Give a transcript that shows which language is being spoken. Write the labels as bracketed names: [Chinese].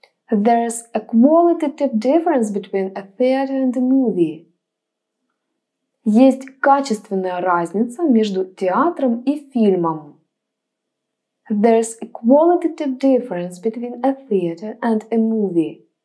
[English] There's a qualitative difference between a theater and a movie. [Russian] Есть качественная разница между театром и фильмом. [English] There's a qualitative difference between a theater and a movie.